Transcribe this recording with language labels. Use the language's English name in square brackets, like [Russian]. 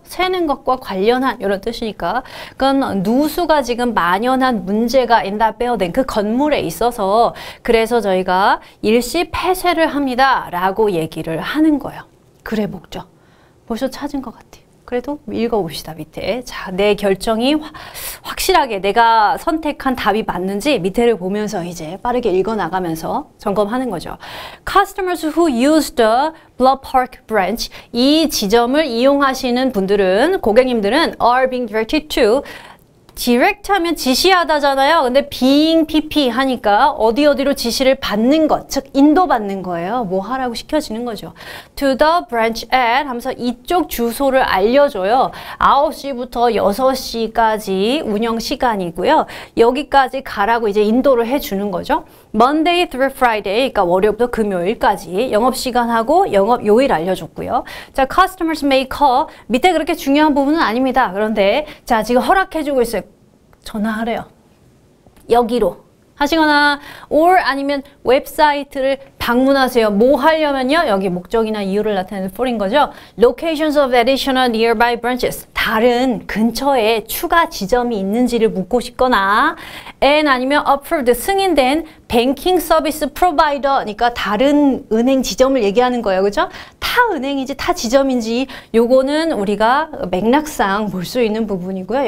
[Korean] 새는 것과 관련한 이런 뜻이니까. 그건 누수가 지금 만연한 문제가 [English] in that building, [Korean] 그 건물에 있어서 그래서 저희가 일시 폐쇄를 합니다. 라고 얘기를 하는 거예요. 글의 목적. 벌써 찾은 것 같아요. 그래도 읽어봅시다, 밑에. 자, 내 결정이 확실하게 내가 선택한 답이 맞는지 밑에를 보면서 이제 빠르게 읽어나가면서 점검하는 거죠. [English] Customers who use the Blood Park branch, [Korean] 이 지점을 이용하시는 분들은, 고객님들은 [English] are being directed to [Korean] direct 하면 지시하다잖아요. 근데 being PP 하니까 어디 어디로 지시를 받는 것, 즉 인도받는 거예요. 뭐 하라고 시켜지는 거죠. [English] To the branch at [Korean] 하면서 이쪽 주소를 알려줘요. 9시부터 6시까지 운영 시간이고요. 여기까지 가라고 이제 인도를 해주는 거죠. [English] Monday through Friday, [Korean] 그러니까 월요일부터 금요일까지 영업시간하고 영업 요일 알려줬고요. [English] 자, customers may call. [Korean] 밑에 그렇게 중요한 부분은 아닙니다. 그런데 자, 지금 허락해주고 있어요. 전화하래요. 여기로 하시거나 or 아니면 웹사이트를 방문하세요. 뭐 하려면요? 여기 목적이나 이유를 나타내는 for인 거죠. [English] Locations of additional nearby branches. [Korean] 다른 근처에 추가 지점이 있는지를 묻고 싶거나 and 아니면 approved, 승인된 [English] banking service provider, [Korean] 그러니까 다른 은행 지점을 얘기하는 거예요. 그렇죠? 타 은행인지 타 지점인지 요거는 우리가 맥락상 볼 수 있는 부분이고요.